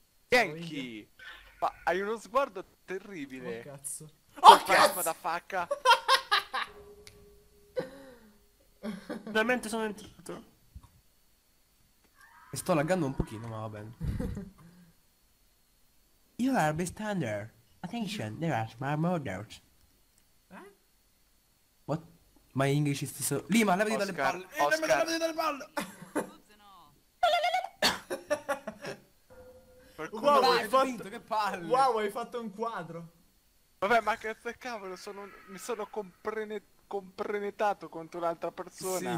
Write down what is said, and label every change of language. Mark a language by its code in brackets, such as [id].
[it] Yankee. Ma hai uno sguardo terribile. Oh cazzo. Oh cazzo! Da facca. Veramente sono entrato. Sto laggando un pochino, ma va bene. [en] You are bystander. Attention, there are smart murders. Eh? What? My English is so... [it] Lima, levati dalle palle! Oscar! Lima, levati dalle palle! Wow, hai fatto... Che palle! Wow, hai fatto un quadro! Vabbè, ma che cavolo, mi sono comprenetato contro un'altra persona.